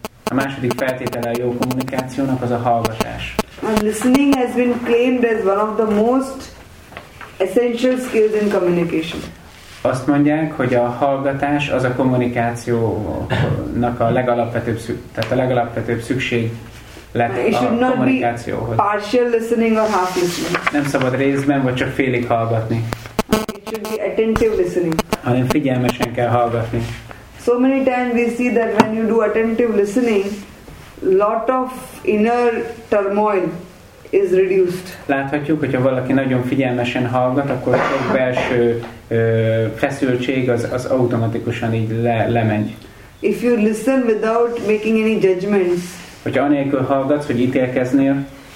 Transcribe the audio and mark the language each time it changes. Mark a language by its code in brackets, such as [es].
[hu] A második feltétele a jó kommunikációnak az a hallgatás. [en] And listening has been claimed as one of the most essential skills in communication. [hu] Azt mondják, hogy a hallgatás az a kommunikációnak a legalapvetőbb, tehát a legalapvetőbb szükség lett a kommunikációhoz. [en] It should not be partial listening or half listening. [hu] Nem szabad részben vagy csak félig hallgatni. [en] It should be attentive listening. [hu] Hanem figyelmesen kell hallgatni. [en] So many times we see that when you do attentive listening, lot of inner turmoil is reduced. [hu] Láthatjuk, hogyha valaki nagyon figyelmesen hallgat, akkor a belső feszültség az automatikusan így lemegy. [en] If you listen without making any judgments, [hu] hogyha anélkül hallgatsz, hogy ítélkeznél,